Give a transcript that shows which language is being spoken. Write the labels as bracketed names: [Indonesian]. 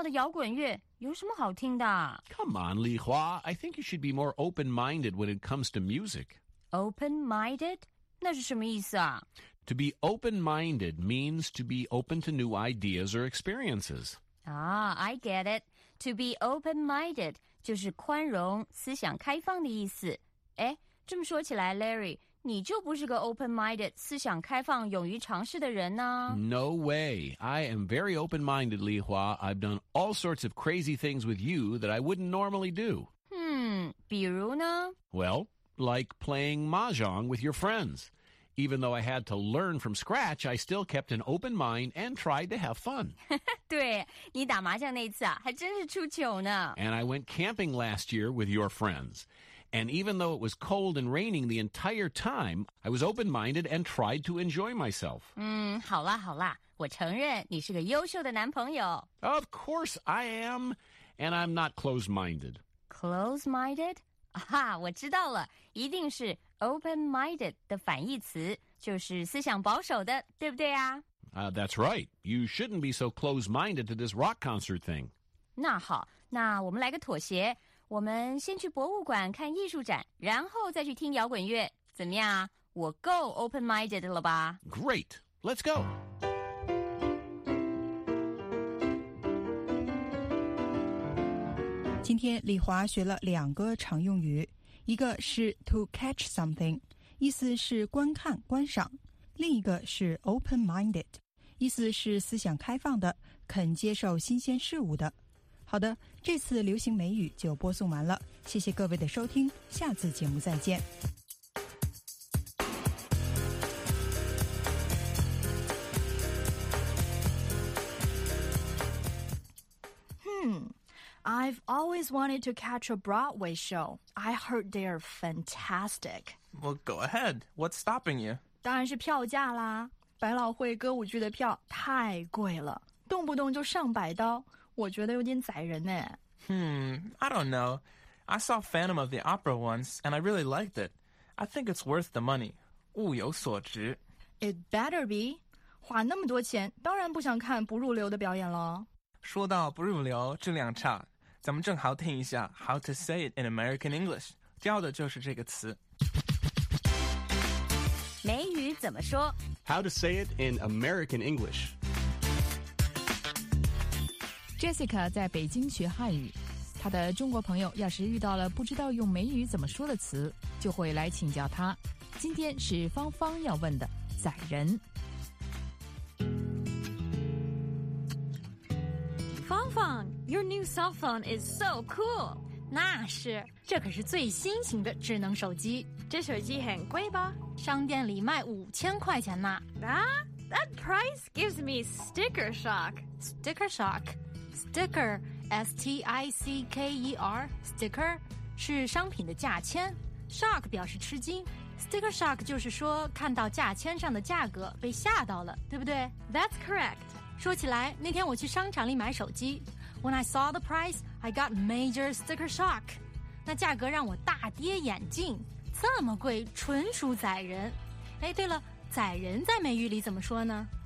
[English] Come on, Li Hua. I think you should be more open-minded when it comes to music. [Chinese] Open-minded? 那是什么意思啊? [English] To be open-minded means to be open to new ideas or experiences. Ah, I get it. To be open-minded [Chinese] 就是宽容、思想开放的意思。诶，这么说起来，Larry，你就不是个 open-minded, 思想开放、勇于尝试的人呢。 [English] No way. I am very open-minded, Li Hua. I've done all sorts of crazy things with you that I wouldn't normally do. [Chinese] Hmm, 比如呢? [English] Well, like playing mahjong with your friends. Even though I had to learn from scratch, I still kept an open mind and tried to have fun. [Chinese] 对,你打麻将那次啊,还真是出糗呢。 [English] And I went camping last year with your friends. And even though it was cold and raining the entire time, I was open-minded and tried to enjoy myself. [Chinese] 嗯，好啦好啦，我承认你是个优秀的男朋友。 [English] Of course I am, and I'm not close-minded. Close-minded? [Chinese] 啊，我知道了，一定是 open-minded 的反义词，就是思想保守的，对不对啊？ [English] That's right. You shouldn't be so close-minded to this rock concert thing. [Chinese] 那好，那我们来个妥协。我们先去博物馆看艺术展，然后再去听摇滚乐，怎么样？我够 open-minded 了吧 [English] ？Great, let's go. [Chinese] Today, Li Hua 学了两个常用语，一个是 [English] to catch something， [Chinese] 意思是观看、观赏；另一个是 open-minded， 意思是思想开放的，肯接受新鲜事物的。好的，这次流行美语就播送完了，谢谢各位的收听，下次节目再见。 [English] I've always wanted to catch a Broadway show. I heard they're fantastic. Well, go ahead. What's stopping you? [Chinese] 当然是票价啦，百老汇歌舞剧的票太贵了，动不动就上百刀。我觉得有点宰人呢。 [English] I don't know. I saw Phantom of the Opera once, and I really liked it. I think it's worth the money. [Chinese] 物有所值。 [English] It better be. [Chinese] 花那么多钱，当然不想看不入流的表演了。说到不入流，质量差，咱们正好听一下 [English] How to Say It in American English， [Chinese] 教的就是这个词。美语怎么说 [English] ？How to Say It in American English。 [Chinese] Jessica 在北京学汉语，她的中国朋友要是遇到了不知道用美语怎么说的词，就会来请教她。今天是芳芳要问的宰人。 [English] 芳芳 ， Your new cell phone is so cool。 [Chinese] 那是，这可是最新型的智能手机。这手机很贵吧？商店里卖5000块钱呢。 [English] That price gives me sticker shock. Sticker shock. Sticker, S-T-I-C-K-E-R, sticker, [Chinese] 是商品的价签。 Shock 表示吃惊。 [English] Sticker shock [Chinese] 就是说看到价签上的价格被吓到了，对不对 [English] ？That's correct. [Chinese] 说起来，那天我去商场里买手机 [English] ，When I saw the price, I got major sticker shock. [Chinese] 那价格让我大跌眼镜，这么贵，纯属宰人。哎，对了，宰人在美语里怎么说呢